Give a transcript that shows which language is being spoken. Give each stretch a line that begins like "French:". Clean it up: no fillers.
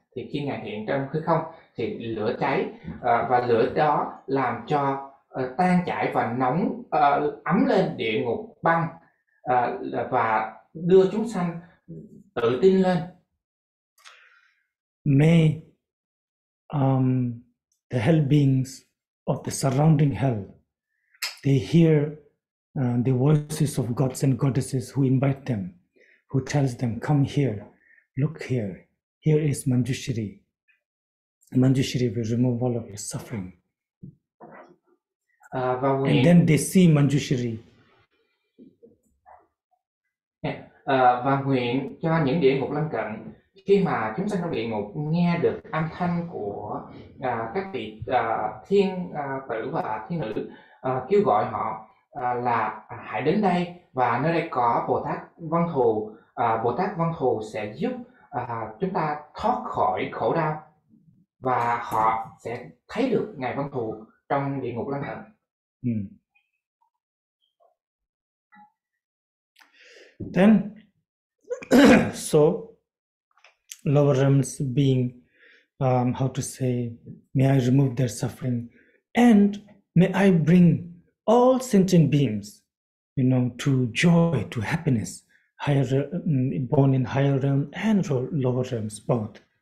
Vietnamese: Thì khi Ngài hiện trong hư không thì lửa cháy và lửa đó làm cho tan chảy và nóng ấm lên địa ngục băng và đưa chúng sanh tự tin lên.
English: May the hell beings of the surrounding hell, they hear the voices of gods and goddesses who invite them, who tells them, come here, look here. Here is Manjushri. Manjushri will remove all of your suffering.
Vietnamese: Và nguyện...
English: And then they see Manjushri.
Vietnamese: Và nguyện cho những địa ngục lân cận, khi mà chúng sanh trong địa ngục nghe được âm thanh của các vị thiên tử và thiên nữ kêu gọi họ là hãy đến đây, và nơi đây có Bồ Tát Văn Thù. Bồ Tát Văn Thù sẽ giúp chúng ta thoát khỏi khổ đau, và họ sẽ thấy được Ngài Văn Thù trong địa ngục lân cận.
English: Then, so lower realms being, how to say, may I remove their suffering, and may I bring all sentient beings, you know, to joy, to happiness, higher, born in higher realm and lower realms, both.